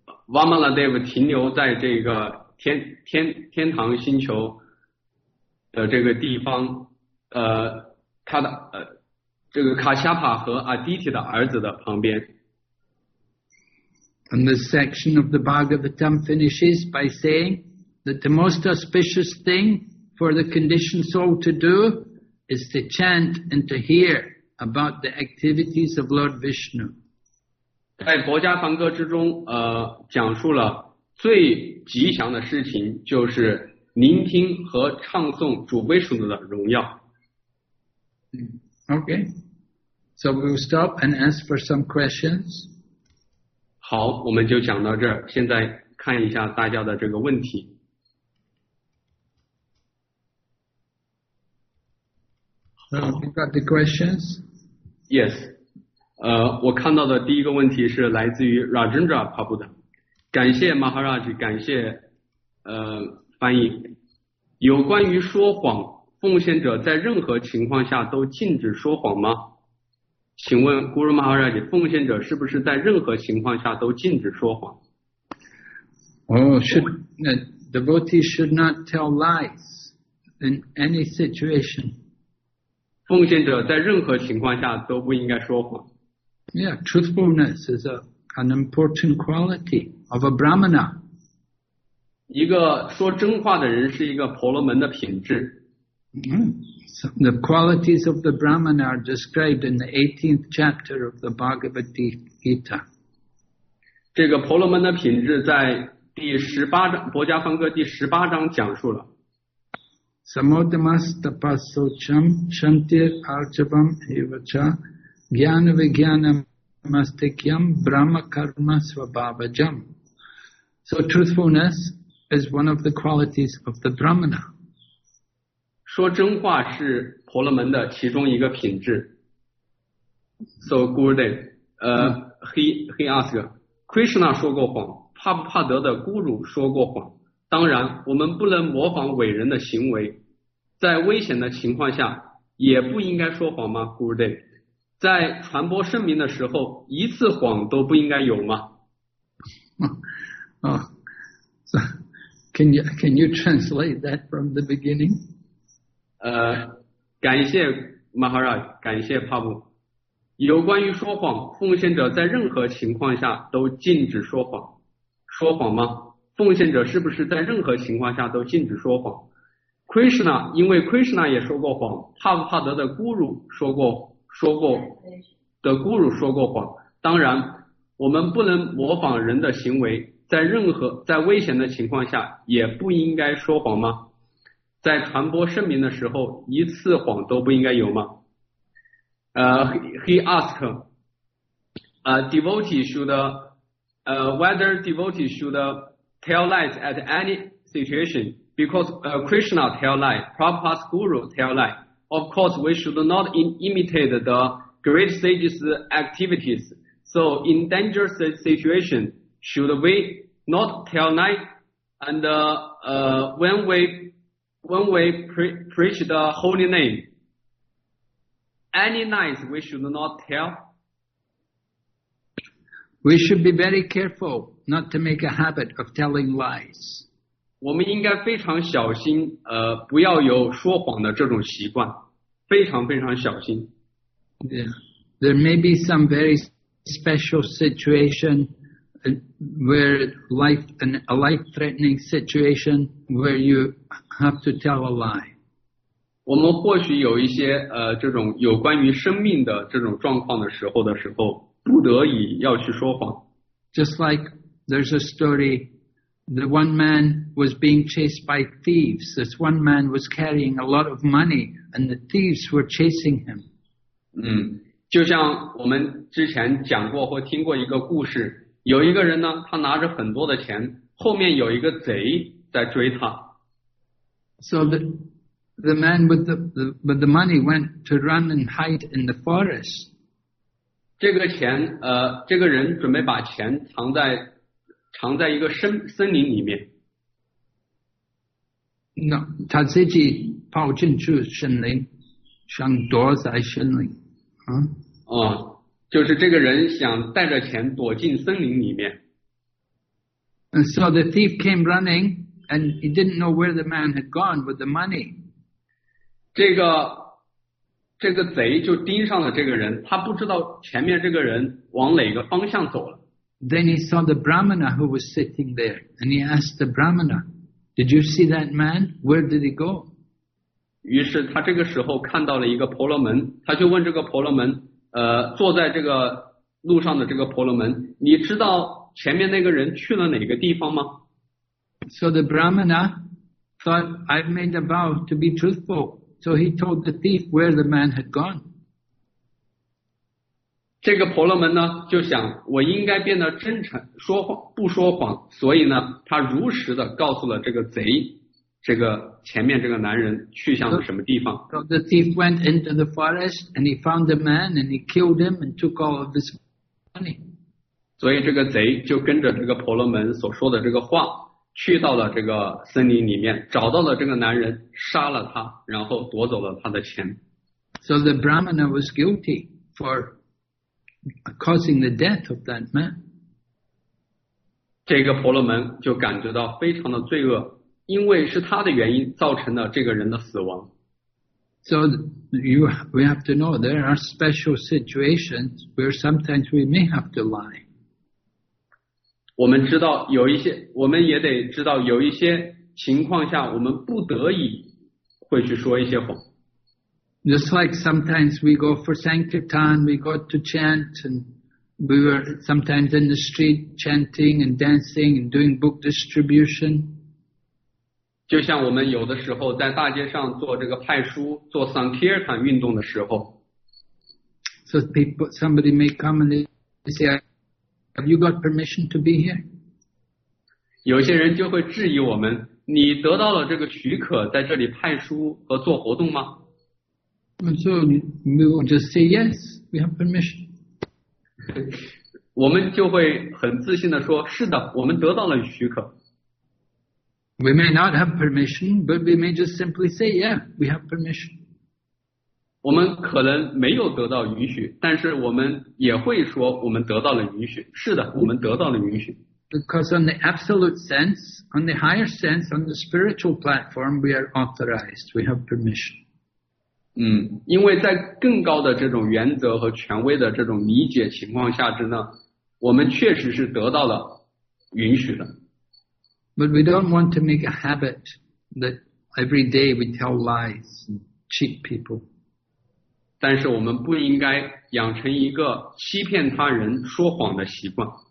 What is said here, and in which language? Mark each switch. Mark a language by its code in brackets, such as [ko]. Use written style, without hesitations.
[zh] Vamanadeva 停留在这个天堂星球的这个地方，他的这个卡夏帕和阿迪提的儿子的旁边。 [en] And this section of the Bhagavatam finishes by saying that the most auspicious thing for the conditioned soul to do is to chant and to hear about the activities of Lord Vishnu. [zh] 在国家梵歌之中，讲述了最吉祥的事情就是聆听和唱诵主威属的荣耀。 [en] Okay, so we'll stop and ask for some questions. [zh] 好，我们就讲到这儿。现在看一下大家的这个问题。 [en] You got the questions? [zh] Yes. 我看到的第一个问题是来自于 Rajendra Prabhu 的，感谢 Maharaj， 感谢翻译。有关于说谎，奉献者在任何情况下都禁止说谎吗？请问 Guru Maharaj， 奉献者是不是在任何情况下都禁止说谎？ [en] Devotee should not tell lies in any situation. [zh] 奉献者在任何情况下都不应该说谎。 [en] Yeah, truthfulness is an important quality of a brahmana. [zh] 一个说真话的人是一个婆罗门的品质。 [en] So the qualities of the Brahman are described in the 18th chapter of the Bhagavad Gita. [zh] 这个婆罗门的品质在第十八章《薄伽梵歌》第十八章讲述了。 [sa] Samodamastapasocham shantir archavam evacha jnana vijnana mastikyam brahma karma svabhavajam. [en] So truthfulness is one of the qualities of the Brahmana. [zh] 说真话是婆罗门的其中一个品质。 [en] So Gurudev, he asked, [zh] Krishna 说过谎，帕布帕德的咕噜说过谎。当然，我们不能模仿伟人的行为，在危险的情况下也不应该说谎吗 ？Gurudev, 在传播圣名的时候，一次谎都不应该有吗？ [en] So, can you translate that from the beginning? [zh] 感谢 Maharaj， 感谢 Prabhu。有关于说谎，奉献者在任何情况下都禁止说谎。说谎吗？奉献者是不是在任何情况下都禁止说谎 ？Krishna， 因为 Krishna 也说过谎，帕布帕德的 Guru 说过谎。当然，我们不能模仿人的行为，在危险的情况下也不应该说谎吗？在传播圣名的时候，一次谎都不应该有吗？ [en] He asked, whether devotee should tell lies at any situation, because Krishna tell lie, Prabhupada's guru tell lie. Of course, we should not imitate the great sage's activities. So in dangerous situation, should we not tell lie? And when we preach the holy name, any lies we should not tell? We should be very careful not to make a habit of telling lies. [zh] 我们应该非常小心，不要有说谎的这种习惯，非常非常小心。 [en] Yeah. There may be some very special situation where life, a life-threatening situation where youhave to tell a lie. [zh] 我们或许有一些这种有关于生命的这种状况的时候不得已要去说谎。 [en] Just like there's a story, the one man was being chased by thieves. This one man was carrying a lot of money and the thieves were chasing him. [zh] 就像我们之前讲过或听过一个故事，有一个人呢，他拿着很多的钱，后面有一个贼在追他。 [en] So the, the man with the money went to run and hide in the forest. [zh] 这个钱这个人准备把钱藏在一个森林里面。 No, 他自己跑进去森林，想躲在森林。哦，就是这个人想带着钱躲进森林里面。 [en] And so the thief came running, and he didn't know where the man had gone with the money. [zh] 这个贼就盯上了这个人，他不知道前面这个人往哪个方向走了。 [en] Then he saw the Brahmana who was sitting there, and he asked the Brahmana, "Did you see that man? Where did he go?" [zh] 于是他这个时候看到了一个婆罗门，他就问这个婆罗门，坐在这个路上的这个婆罗门，你知道前面那个人去了哪个地方吗？ [en] So the Brahmana thought, "I've made a vow to be truthful." So he told the thief where the man had gone. [zh] 这个婆罗门呢，就想我应该变得真诚，说谎不说谎，所以呢，他如实的告诉了这个贼，这个前面这个男人去向了什么地方。 [en] So the thief went into the forest and he found the man and he killed him and took all of his money. [zh] 所以这个贼就跟着这个婆罗门所说的这个话。去到了这个森林里面，找到了这个男人，杀了他，然后夺走了他的钱。 [en] So the Brahmana was guilty for causing the death of that man. [zh] 这个婆罗门就感觉到非常的罪恶，因为是他的原因造成了这个人的死亡。 [en] So we have to know there are special situations where sometimes we may have to lie. [zh] 我们知道有一些，我们也得知道有一些情况下，我们不得已会去说一些谎。 [en] Just like sometimes we go for sankirtan, we go to chant, and we were sometimes in the street chanting and dancing and doing book distribution. [zh] 就像我们有的时候在大街上做这个派书、做 sankirtan 运动的时候。 [en] So people, somebody may come and they say,Have you got permission to be here? [zh] 有些人就会质疑我们，你得到了这个许可在这里派书和做活动吗？ [en] So we will just say yes, we have permission. [zh] 我们就会很自信地说，是的，我们得到了许可。 We may not have permission, but we may just simply say, yeah, we have permission. 我们可能没有得到允许，但是我们也会说我们得到了允许。是的，我们得到了允许。 [en] Because on the absolute sense, on the higher sense, on the spiritual platform, we are authorized. We have permission. [zh] 因为在更高的这种原则和权威的这种理解情况下之呢，我们确实是得到了允许的。 [en] But we don't want to make a habit that every day we tell lies and cheat people. [zh] 但是我们不应该养成一个欺骗他人说谎的习惯。